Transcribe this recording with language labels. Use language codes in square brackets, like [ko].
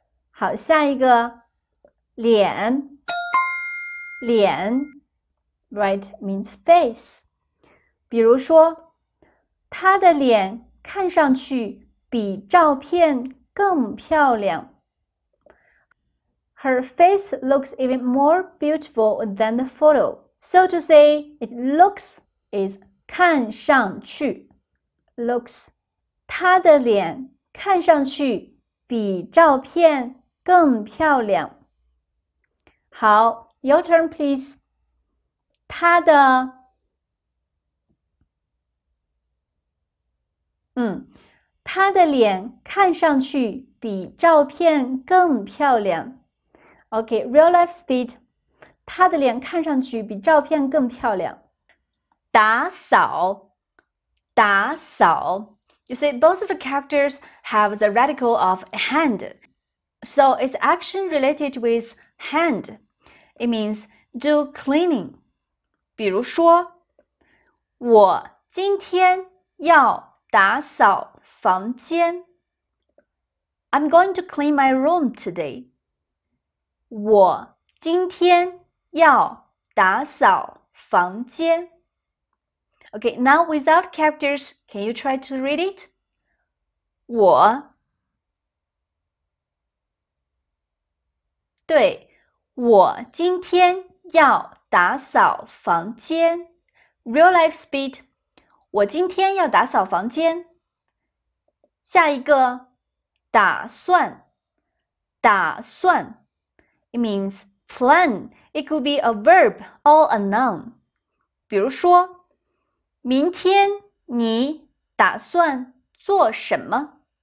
[zh] 好，下一个，脸。脸， [en] right, means face. [zh] 比如说，他的脸看上去比照片更漂亮。 [en] Her face looks even more beautiful than the photo. So to say, it looks is [zh] 看上去 [en] looks. [zh] 她的脸看上去比照片更漂亮。 [en] 好 ，your turn, please. [zh] 她的，她的脸看上去比照片更漂亮。 [en] Okay, real life speed. [zh] 她的脸看上去比照片更漂亮。打扫，打扫。 [en] You see, both of the characters have the radical of hand. So it's action related with hand. It means do cleaning. [zh] 比如说，我今天要打扫房间。 [en] I'm going to clean my room today. [zh] 我今天要打扫房间。 [en] Okay, now without characters, can you try to read it? [zh] 我，对，我今天要打扫房间。 [en] Real life speed. [zh] 我今天要打扫房间。下一个，打算，打算。 [en] It means plan. It could be a verb or a noun. [zh] 比如说，明天你打算做什么？